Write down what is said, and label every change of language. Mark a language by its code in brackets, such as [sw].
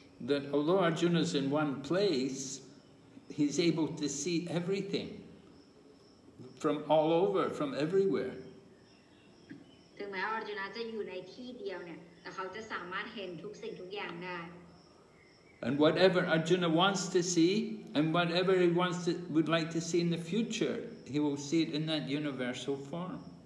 [en] That although Arjuna is in one place he's able to see everything from all over from everywhere. [th] ถึงแม้อาร์จุนาจะอยู่ในที่เดียวเนี่ยแต่เขาจะสามารถเห็นทุกสิ่งทุกอย่างได้ [en] And whatever Arjuna wants to see, and whatever he wants to, would like to see in the future, he will see it in that universal form.